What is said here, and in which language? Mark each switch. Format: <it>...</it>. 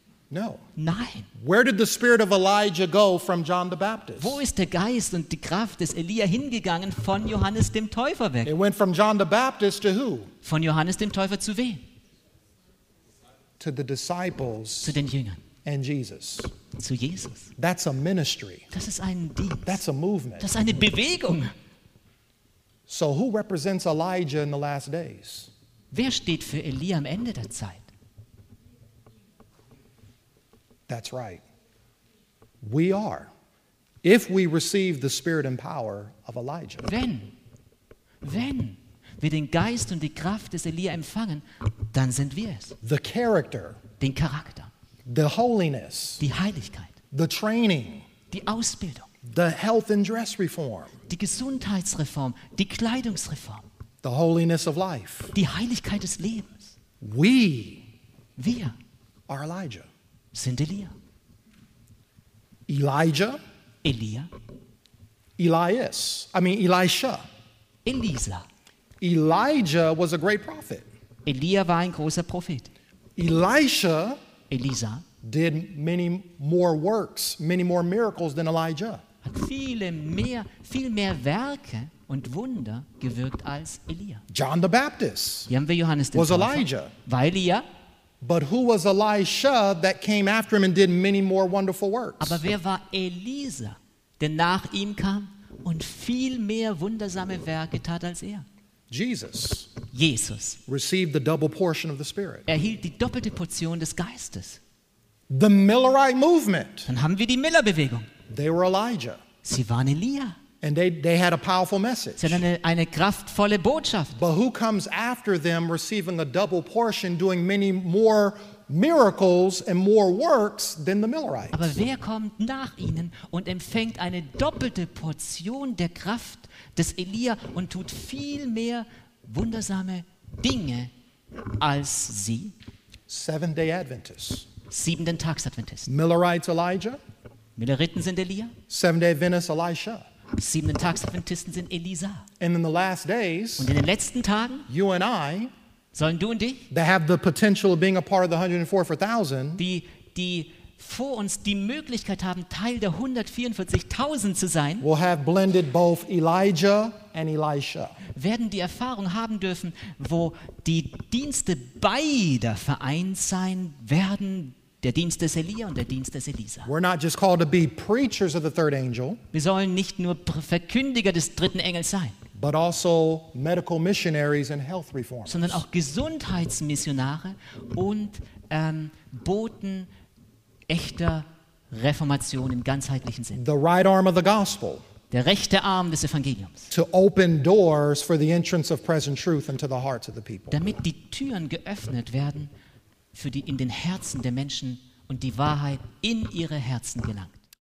<en>No.</en> <de>Nein.</de> <en>Where did the spirit of Elijah go from John the Baptist?</en> <de>Wo ist der Geist und die Kraft des Elia hingegangen von Johannes dem Täufer weg?</de> <en>It went from John the Baptist to who?</en> <de>Von Johannes dem Täufer zu wem?</de> <en>To the disciples.</en> <de>Zu den Jüngern.</de> <en>And Jesus.</en> <de>Zu Jesus.</de> <en>That's a ministry.</en> <de>Das ist ein Dienst.</de> <en>That's a movement.</en> <de>Das ist eine Bewegung.</de> <en>So who represents Elijah in the last days?</en> <de>Wer steht für Elia am Ende der Zeit?</de> <en>That's right. We are. If we receive the spirit and power of Elijah.</en> <de>Wenn wir den Geist und die Kraft des Elia empfangen, dann sind wir es.</de> <en>The character.</en> <de>Den Charakter.</de> <en>The holiness.</en> <de>Die Heiligkeit.</de> <en>The training.</en> <de>Die Ausbildung.</de> <en>The health and dress reform.</en> <de>Die Gesundheitsreform, die Kleidungsreform.</de> <en>The holiness of life.</en> <de>Die Heiligkeit des Lebens. Wir</de> <en>are Elijah.</en> <de>Sind Elia.</de> <en>Elijah.</en> <de>Elia.</de> <en>Elias. I mean Elisha.</en> <de>Elisa.</de> <en>Elijah was a great prophet.</en> <de>Elia war ein großer Prophet.</de> <en>Elisha.</en> <de>Elisa.</de> <en>Did many more works, many more miracles than Elijah.</en> <de>Hat viel mehr Werke und Wunder gewirkt als Elia.</de> <en>John the Baptist.</en> <de>Hier haben wir Johannes den</de> <en>Was Prophet. Elijah.</en> <de>War Elia.</de> <en>But who was Elisha that came after him and did many more wonderful works?</en> <de>Aber wer war Elisa, der nach ihm kam und viel mehr wundersame Werke tat als er?</de> <en>Jesus received the double portion of the Spirit.</en> <de>Er erhielt die doppelte Portion des Geistes.</de> <en>The Millerite movement.</en> <de>Dann haben wir die Millerbewegung.</de> <en>They were Elijah.</en> <de>Sie waren Elia.</de> <en>And they had a powerful message.</en> <de>Sie hatten eine kraftvolle Botschaft.</de> <en>But who comes after them receiving a double portion, doing many more miracles and more works than the Millerites?</en> <de>Aber wer kommt nach ihnen und empfängt eine doppelte Portion der Kraft des Elia und tut viel mehr wundersame Dinge als sie?</de> <en>Seventh-day Adventists.</en> <de>Siebenten-Tags-Adventisten.</de> <en>Millerites Elijah.</en> <de>Milleriten sind Elia.</de> <en>Seventh-day Adventists Elisha.</en> <de>Siebenten-Tags-Adventisten sind Elisa.</de> <en>And in the last days,</en> <de>und in den letzten Tagen,</de> <en>you and I,</en> <de>sollen du und ich,</de> <en>that have the potential of being a part of the 144,000,</en> <de>die vor uns die Möglichkeit haben, Teil der 144,000 zu sein,</de> <en>will have blended both Elijah and Elisha.</en> <de>Werden die Erfahrung haben dürfen, wo die Dienste beider vereint sein werden. Der Dienst des Elia und der Dienst des Elisa.</de> <en>We're not just called to be preachers of the third angel.</en> <de>Wir sollen nicht nur Verkündiger des dritten Engels sein.</de> <en>But also medical missionaries and health reformers.</en> <de>Sondern auch Gesundheitsmissionare und Boten echter Reformation im ganzheitlichen Sinn.</de> <en>The right arm of the gospel.</en> <de>Der rechte Arm des Evangeliums.</de> <en>To open doors for the entrance of present truth into the hearts of the people.</en> <de>Damit die Türen geöffnet werden. Für die in den Herzen der Menschen und die Wahrheit in ihre Herzen gelangt.</de>